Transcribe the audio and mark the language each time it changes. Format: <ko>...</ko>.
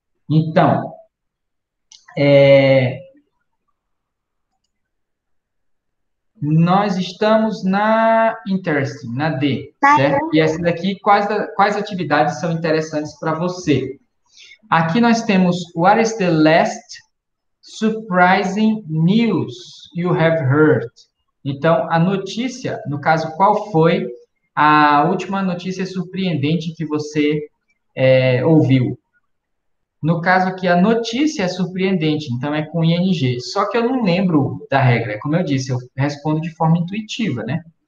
<pt>Então, nós estamos na interesting, na D, certo? E essa daqui, quais atividades são interessantes para você? Aqui nós temos:</pt> <en>What is the last surprising news you have heard?</en> <pt>Então, a notícia, no caso, qual foi a última notícia surpreendente que você ouviu? No caso aqui, a notícia é surpreendente, então é com ING. Só que eu não lembro da regra, como eu disse, eu respondo de forma intuitiva, né?</pt>